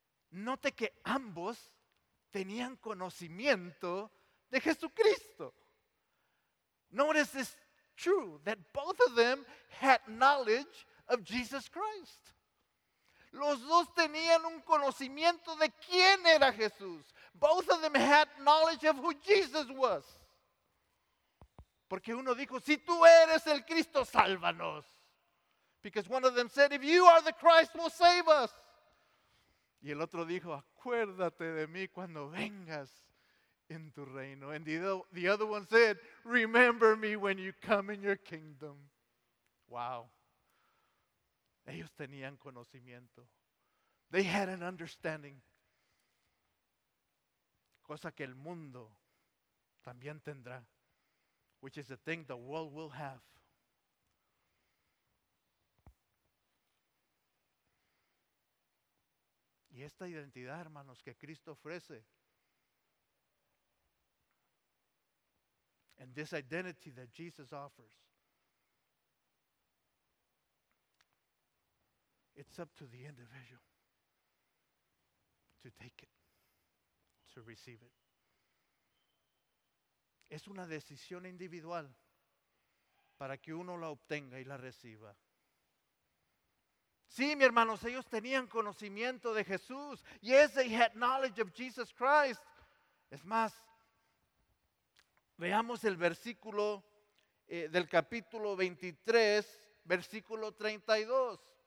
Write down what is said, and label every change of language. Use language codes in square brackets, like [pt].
[es] Note que ambos tenían conocimiento de Jesucristo. [en] Notice it's true that both of them had knowledge of Jesus Christ. [es] Los dos tenían un conocimiento de quién era Jesús. [en] Both of them had knowledge of who Jesus was. [es] Porque uno dijo, si tú eres el Cristo, sálvanos. [en] Because one of them said, if you are the Christ, we'll save us. [es] Y el otro dijo, acuérdate de mí cuando vengas en tu reino. [en] And the other one said, remember me when you come in your kingdom. [es] Wow. Ellos tenían conocimiento. [en] They had an understanding. [es] Cosa que el mundo también tendrá. [en] Which is the thing the world will have. [es] Y esta identidad, hermanos, que Cristo ofrece. [en] And this identity that Jesus offers. It's up to the individual to take it, to receive it. [es] Es una decisión individual para que uno la obtenga y la reciba. Sí, mi hermanos, ellos tenían conocimiento de Jesús. [en] Yes, they had knowledge of Jesus Christ. [es] Es más, veamos el versículo del capítulo 23, versículo 32.